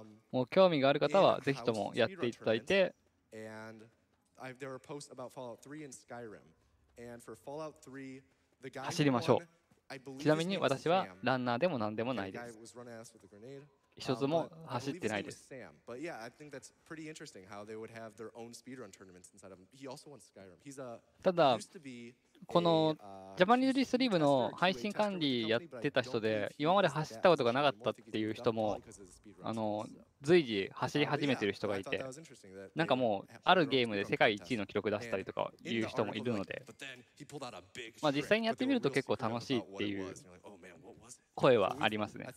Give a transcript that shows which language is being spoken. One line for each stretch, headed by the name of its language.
Japanese: もう興味がある方はぜひともやっていただいて。
English: And there are posts about Fallout 3 and Skyrim. And for Fallout 3, the guy who ran, I believe his name is Sam. And the guy was running ass with a grenade. Sam. But yeah, I think that's pretty interesting how they would have their own speedrun tournaments inside of him. He also won Skyrim. He's a used to be.
Japanese: このジャパニーズリスリーブの配信管理やってた人で今まで走ったことがなかったっていう人も随時走り始めてる人がいて、なんかもうあるゲームで世界1位の記録出したりとかいう人もいるので、まあ実際にやってみると結構楽しいっていう声はありますね。